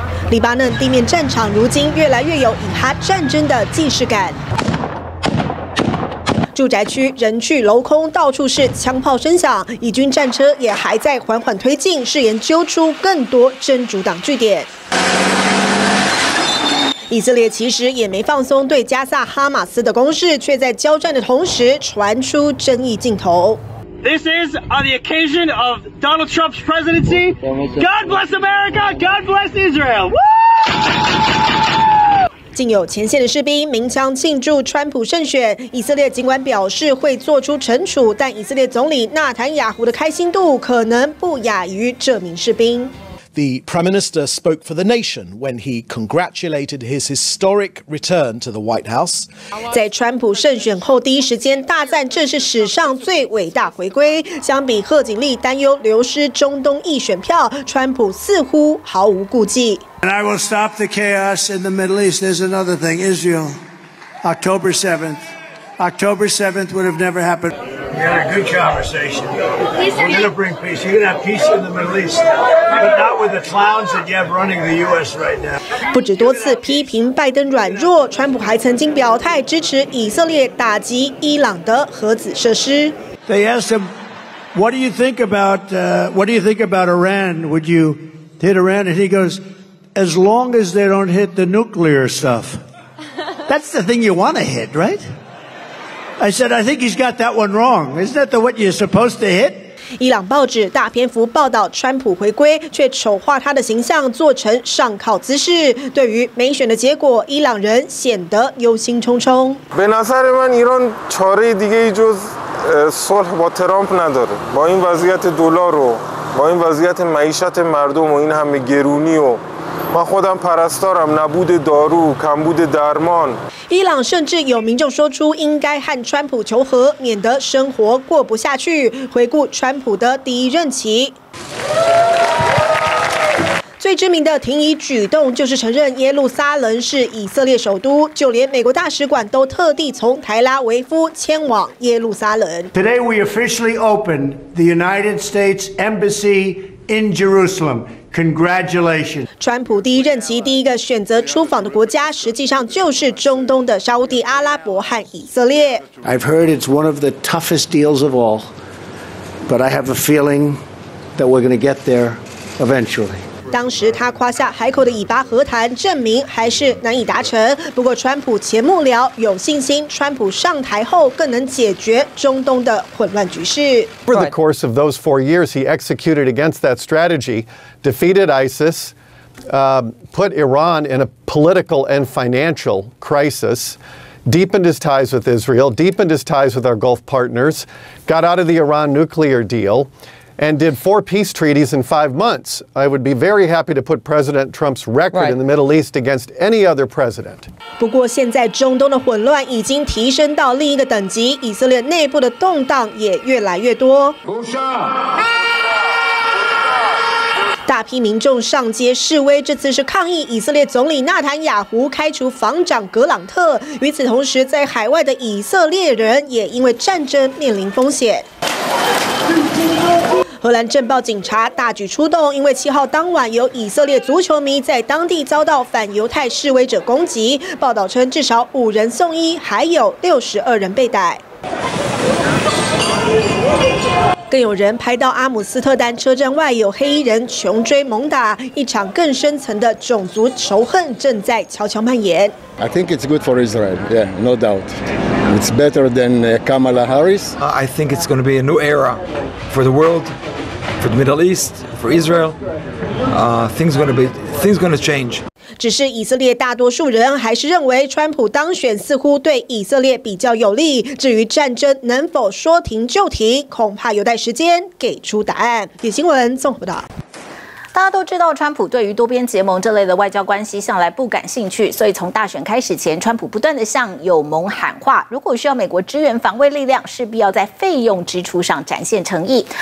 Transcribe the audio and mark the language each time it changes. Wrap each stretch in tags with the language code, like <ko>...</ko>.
<zh>黎巴嫩地面战场如今越来越有以哈战争的既视感，住宅区人去楼空，到处是枪炮声响，以军战车也还在缓缓推进，誓言揪出更多真主党据点。以色列其实也没放松对加萨哈马斯的攻势，却在交战的同时传出争议镜头。</zh> <en>This is on the occasion of Donald Trump's presidency. God bless America. God bless Israel.</en> <zh>竟有前线的士兵鸣枪庆祝川普胜选。以色列尽管表示会做出惩处，但以色列总理纳坦雅胡的开心度可能不亚于这名士兵。</zh> <en>The Prime Minister spoke for the nation when he congratulated his historic return to the White House.</en> <zh>在川普胜选后第一时间大赞这是史上最伟大回归。相比贺锦丽担忧流失中东裔选票，川普似乎毫无顾忌。</zh> <en>And I will stop the chaos in the Middle East. There's another thing, Israel, October 7th. October 7th would have never happened. We had a good conversation. We're going to bring peace. You're going to have peace in the Middle East, but not with the clowns that you have running the U.S. right now.</en> <zh>不止多次批评拜登软弱，川普还曾经表态支持以色列打击伊朗的核子设施。</zh> <en>They asked him, "What do you think about what do you think about Iran? Would you hit Iran?" And he goes, "As long as they don't hit the nuclear stuff." That's the thing you want to hit, right? I said, I think he's got that one wrong. Isn't that the what you're supposed to hit?</en> <zh>伊朗报纸大篇幅报道川普回归，却丑化他的形象，做成上靠姿势。对于美选的结果，伊朗人显得忧心忡忡。</zh> <fa>به نظر من ایران چاره دیگه ای جز صلح با ترامپ نداره. با این وضعیت دلار و با این وضعیت معیشت مردم و این همه گرونی و من خودم پرستارم نبود دارو کمبود درمان.</fa> <zh>伊朗甚至有民众说出应该和川普求和，免得生活过不下去。回顾川普的第一任期，最知名的停伊举动就是承认耶路撒冷是以色列首都，就连美国大使馆都特地从台拉维夫迁往耶路撒冷。</zh> <en>Today we officially opened the United States Embassy in Jerusalem. Congratulations.</en> <zh>川普第一任期第一个选择出访的国家实际上就是中东的沙烏地阿拉伯和以色列。</zh> <en>I've heard it's one of the toughest deals of all, but I have a feeling that we're going to get there eventually.</en> <zh>当时他夸下海口的以巴和谈，证明还是难以达成。不过，川普前幕僚有信心，川普上台后更能解决中东的混乱局势。</zh> <en>Over the course of those 4 years, he executed against that strategy, defeated ISIS, put Iran in a political and financial crisis. Deepened his ties with Israel, deepened his ties with our Gulf partners, got out of the Iran nuclear deal, and did 4 peace treaties in 5 months. I would be very happy to put President Trump's record in the Middle East against any other president.</en> <zh>不过现在中东的混乱已经提升到另一个等级，以色列内部的动荡也越来越多。大批民众上街示威，这次是抗议以色列总理纳坦雅胡开除防长格朗特。与此同时，在海外的以色列人也因为战争面临风险。荷兰政报警察大举出动，因为7号当晚有以色列足球迷在当地遭到反犹太示威者攻击。报道称，至少5人送医，还有62人被逮。更有人拍到阿姆斯特丹车站外有黑衣人穷追猛打，一场更深层的种族仇恨正在悄悄蔓延。</zh> <en>I think it's good for Israel. Yeah, no doubt. It's better than Kamala Harris. I think it's going to be a new era for the world. for the Middle East, for Israel, things gonna change.</en> <zh>只是以色列大多数人还是认为川普当选似乎对以色列比较有利。至于战争能否说停就停，恐怕有待时间给出答案。 《点新闻》综合报道。大家都知道，川普对于多边结盟这类的外交关系向来不感兴趣，所以从大选开始前，川普不断地向友盟喊话，如果需要美国支援防卫力量，势必要在费用支出上展现诚意。</zh>